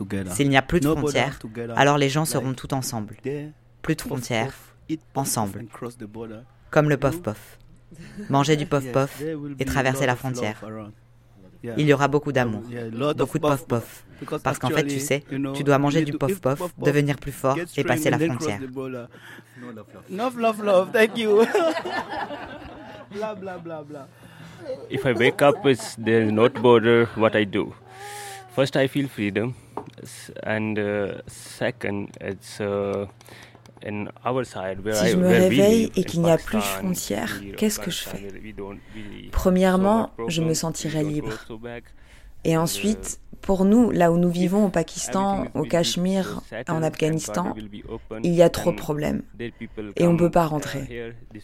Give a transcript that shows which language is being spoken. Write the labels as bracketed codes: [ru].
[fr] S'il n'y a plus de frontières, alors les gens seront tous ensemble. Plus de frontières, ensemble. Comme le pof-pof. Manger du pof-pof et traverser la frontière. Il y aura beaucoup d'amour, beaucoup de pof-pof. Parce qu'en fait, tu sais, tu dois manger du pof-pof, devenir plus fort et passer la frontière. [en] No love, love, love, thank you. Blah, blah, blah, blah. If I wake up, there's no border, what I do? First, I feel freedom. And second, it's in our side. [fr] Si je me réveille et qu'il n'y a plus de frontières, qu'est-ce que je fais? Premièrement, je me sentirai libre. Et ensuite, pour nous, là où nous vivons, au Pakistan, au Cachemire, en Afghanistan, il y a trop de problèmes et on ne peut pas rentrer.